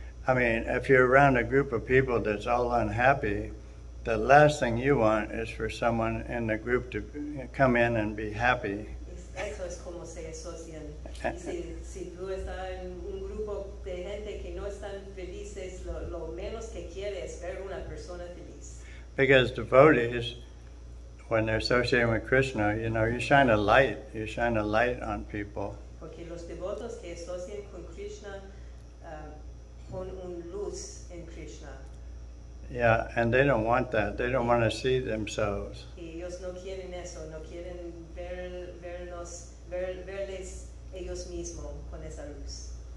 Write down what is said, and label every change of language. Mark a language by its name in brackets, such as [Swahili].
[English] I mean, if you're around a group of people that's all unhappy, the last thing you want is for someone in the group to come in and be happy. [Spanish] Eso es como se asocian. Si tú estás en un grupo de gente que no están felices, lo menos que quieres es ver una persona feliz. [English] Because devotees, when they're associating with Krishna, you know, you shine a light. You shine a light on people. [Spanish] Porque los devotos que asocian con Krishna pon un luz en Krishna. [English] Yeah, and they don't want that. They don't want to see themselves. [Spanish] Ellos no quieren eso. No quieren verles ellos mismos con esa luz.